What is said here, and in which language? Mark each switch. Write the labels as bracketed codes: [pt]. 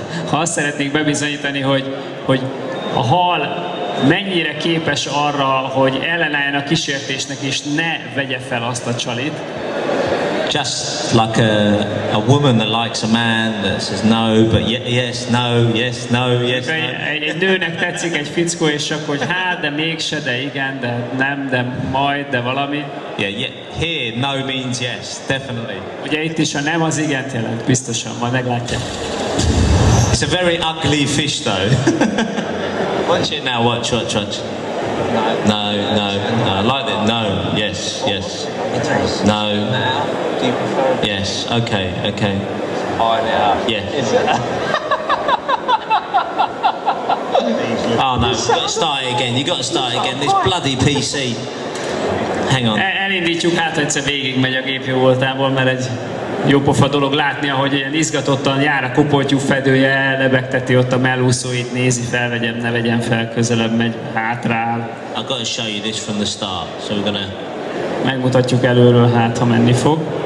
[hu] Ha azt szeretnék bebizonyítani, hogy a hal mennyire képes arra, hogy ellenálljon a kísértésnek és ne vegye fel azt a csalit. [en] Just like a woman that likes a man that says no, but yes, no, yes, no, yes, no. [hu] Egy nőnek tetszik egy fickó, és akkor, hogy hát, de mégse, de igen, de nem, de majd, de valami. [en] Yeah, here no means yes, definitely. [hu] Ugye itt is a nem az igent jelent, biztosan, majd meglátja. [en] It's a very ugly fish though. Watch it now, watch. No, no, no, no. Like that. No, yes, yes. It is. No. Now, do you prefer? Yes. Okay. Okay. Higher now. Yes. Yeah. Oh no! You've got to start it again. You've got to start it again. This bloody PC. Hang on. [hu] Elindítjuk, hát egyszer végig megy a gép jó voltából, mert egy jópofadolog látni, ahogy ilyen izgatottan jár a kopoltyú fedője, lebegteti ott a mellúszóit, nézi, felvegyem, ne vegyem fel, közelebb megy, hátrál. [en] I've got to show you this from the start, so we're gonna... [hu] Megmutatjuk előről, hát, ha menni fog.